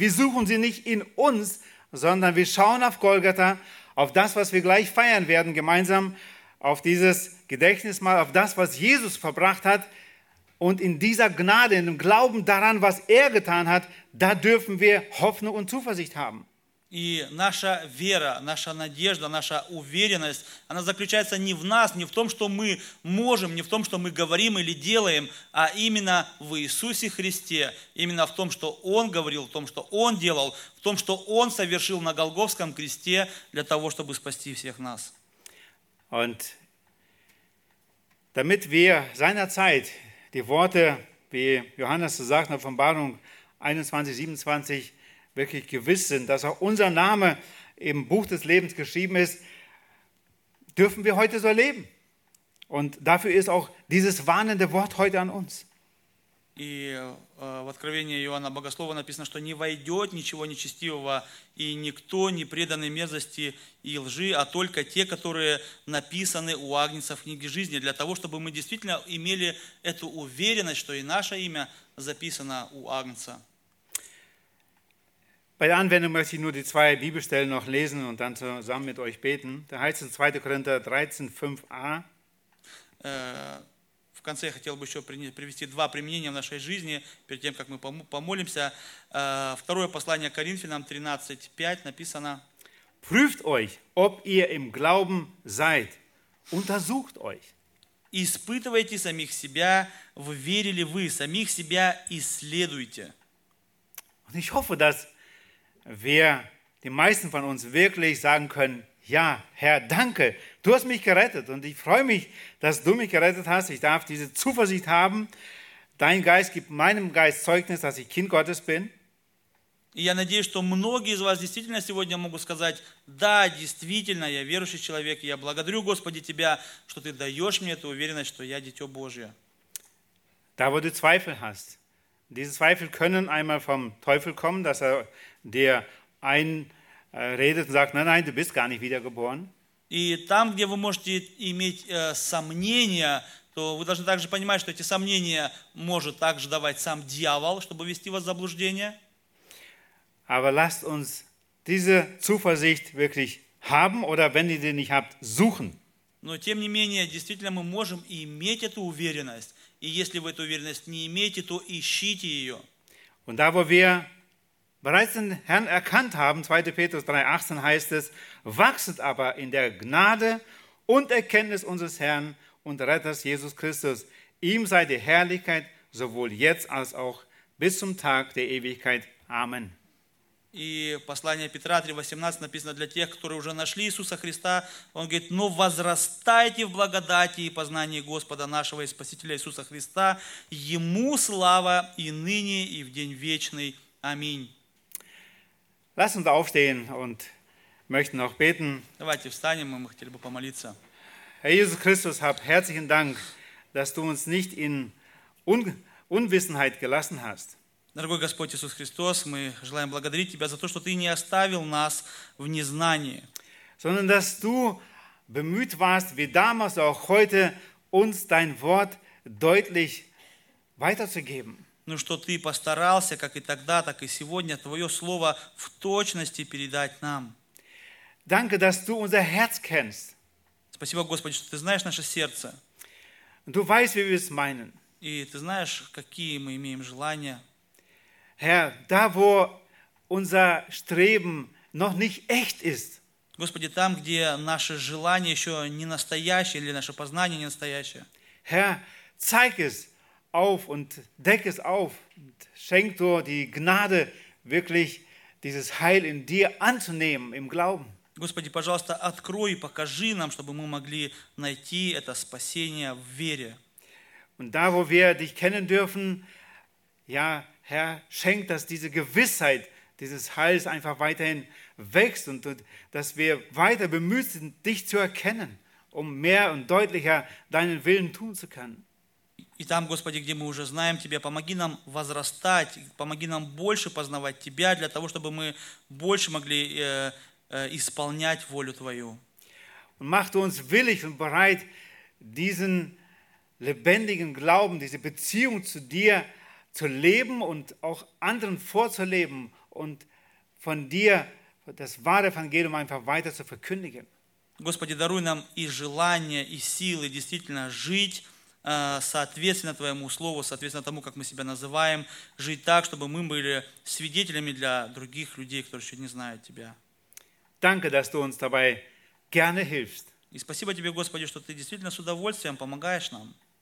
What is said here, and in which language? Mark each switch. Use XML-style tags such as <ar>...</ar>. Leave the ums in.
<de>Wir suchen sie nicht in uns, sondern wir schauen auf Golgatha, auf das, was wir gleich feiern werden, gemeinsam auf dieses Gedächtnis mal, auf das, was Jesus verbracht hat, und in dieser Gnade, in dem Glauben daran, was er getan hat, da dürfen wir Hoffnung und Zuversicht haben.</de> <ru>И наша вера, наша надежда, наша уверенность, она заключается не в нас, не в том, что мы можем, не в том, что мы говорим или делаем, а именно в Иисусе Христе, именно в том, что Он говорил, в том, что Он делал, в том, что Он совершил на Голговском кресте для того, чтобы спасти всех нас.</ru> <de>Und damit wir seinerzeit die Worte, wie Johannes zu sagt in der Offenbarung 21, 27, wirklich gewiss sind, dass auch unser Name im Buch des Lebens geschrieben ist, dürfen wir heute so leben. Und dafür ist auch dieses warnende Wort heute an uns.</de> <ru>И в Откровении Иоанна Богослова написано, что не войдет ничего нечестивого и никто не преданный мерзости и лжи, а только те, которые написаны у Агнеца в книге жизни, для того, чтобы мы действительно имели эту уверенность, что и наше имя записано у Агнеца.</ru> <de>Bei der Anwendung möchte ich nur die zwei Bibelstellen noch lesen und dann zusammen mit euch beten. Da heißt es 2. Korinther 13, 5a.</de> <ru>Äh, в конце я хотел бы еще привести два применения в нашей жизни, перед тем, как мы помолимся. Второе послание Коринфянам 13.5 написано.</ru> <de>Prüft euch, ob ihr im Glauben seid. Untersucht euch.</de> <ru>Испытывайте самих себя, в вере ли вы, самих себя исследуйте.</ru> <de>Und ich hoffe, dass wir, die meisten von uns, wirklich sagen können, Ja, Herr, danke. Du hast mich gerettet und ich freue mich, dass du mich gerettet hast. Ich darf diese Zuversicht haben. Dein Geist gibt meinem Geist Zeugnis, dass ich Kind Gottes bin.</de> <ru>Я надеюсь, что многие из вас действительно сегодня могут сказать, да, действительно, я верующий человек, я благодарю Господи Тебя, что Ты даешь мне эту уверенность, что я Дитё Божье.</ru> <de>Да, wo du Zweifel hast. Diese Zweifel können einmal vom Teufel kommen, dass er dir ein, äh, redet und sagt, nein, nein, du bist gar nicht wiedergeboren.</de> <ru>И там, где вы можете иметь äh, сомнения, то вы должны также понимать, что эти сомнения может также давать сам дьявол, чтобы вести вас в заблуждение.</ru> <de>Aber lasst uns diese Zuversicht wirklich haben oder wenn ihr sie nicht habt, suchen.</de> <ru>Но тем не менее, действительно мы можем иметь эту уверенность. И если вы эту уверенность не имеете, то ищите ее.</ru> <de>Und da, wo wir bereits den Herrn erkannt haben, 2. Petrus 3,18 heißt es, wachset aber in der Gnade und Erkenntnis unseres Herrn und Retters Jesus Christus. Ihm sei die Herrlichkeit sowohl jetzt als auch bis zum Tag der Ewigkeit. Amen.</de> <ru>И послание Петра 3.18 написано для тех, которые уже нашли Иисуса Христа. Он говорит, но возрастайте в благодати и познании Господа нашего и Спасителя Иисуса Христа. Ему слава и ныне, и в день вечный. Аминь.</ru> <de>Lass uns aufstehen und möchten noch beten.</de> <ru>Встанем,</ru> <de>Herr Jesus Christus, hab herzlichen Dank, dass du uns nicht in Un- Unwissenheit gelassen hast.</de> <ru>Дорогой Господь Иисус Христос, мы желаем благодарить Тебя за то, что Ты не оставил нас в незнании.</ru> <de>Sondern, dass du bemüht warst, wie damals auch heute, uns dein Wort deutlich weiterzugeben.</de> <ru>но ну, что Ты постарался, как и тогда, так и сегодня, Твое Слово в точности передать нам.</ru> <de>Danke, dass du unser Herz kennst.</de> <ru>Спасибо, Господи, что Ты знаешь наше сердце.</ru> <de>Du weißt, wie wir es meinen.</de> <ru>И Ты знаешь, какие мы имеем желания.</ru> <de>Herr, da, wo unser Streben noch nicht echt ist,</de> <ru>Господи, там, где наше желание еще не настоящее или наше познание не настоящее.</ru> <de>Herr, zeig es, auf und deck es auf und schenk dir die Gnade, wirklich dieses Heil in dir anzunehmen im Glauben.</de> <ru>Господи, пожалуйста, открой покажи нам, чтобы мы могли найти это спасение в вере.</ru> <de>Und da, wo wir dich kennen dürfen, ja, Herr, schenk, dass diese Gewissheit dieses Heils einfach weiterhin wächst und, und dass wir weiter bemüht sind, dich zu erkennen, um mehr und deutlicher deinen Willen tun zu können.</de> <ru>И там, Господи, где мы уже знаем Тебя, помоги нам возрастать, помоги нам больше познавать Тебя, для того, чтобы мы больше могли э, э, исполнять волю Твою.</ru> <de>Bereit, diesen lebendigen Glauben, diese Beziehung zu dir zu leben und auch anderen vorzuleben und von dir das wahre Evangelium einfach weiter zu verkündigen.</de> <ru>Господи, даруй нам и желание, и силы действительно жить соответственно твоему слову, соответственно тому, как мы себя называем, жить так, чтобы мы были свидетелями для других людей, которые еще не знают тебя.</ru> <de>Danke, dass du uns dabei gerne hilfst.</de> <ru>И спасибо тебе, Господи, что ты действительно с удовольствием помогаешь нам.</ru>